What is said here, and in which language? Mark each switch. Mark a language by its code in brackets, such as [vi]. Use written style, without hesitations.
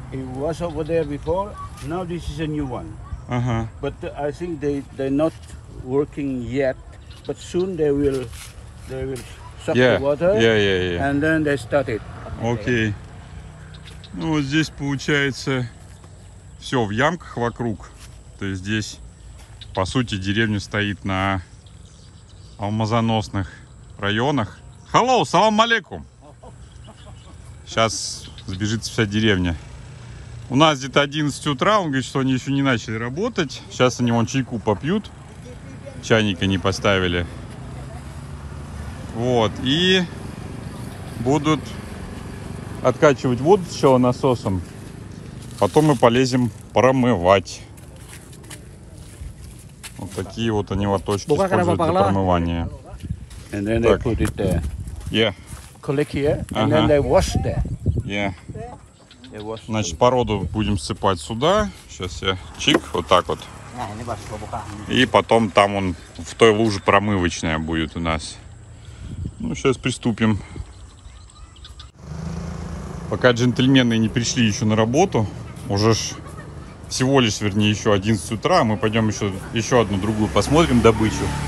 [en] It was over there before. Now this is a new one. Uh-huh. But I think they're not working yet, but soon they will suck yeah. the water yeah. and then they start it. Okay. [ru] Ну вот здесь получается все в ямках вокруг. То есть здесь по сути деревня стоит на алмазоносных районах. [en] Hello, [ru] салам алейкум. Сейчас сбежится вся деревня. У нас где-то 11 утра, он говорит, что они еще не начали работать. Сейчас они вон чайку попьют. Чайника не поставили. Вот. И будут откачивать воду сначала насосом. Потом мы полезем промывать. Вот такие вот они лоточки используют для промывания. [en] And then they put it there. Yeah. Click here. And uh-huh. then they wash there. Yeah. [ru] Значит, породу будем сыпать сюда. Сейчас я чик, вот так вот. И потом там он в той луже промывочная будет у нас. Ну, сейчас приступим. Пока джентльмены не пришли еще на работу, уже ж всего лишь, вернее, еще 11 утра, мы пойдем еще одну другую посмотрим добычу.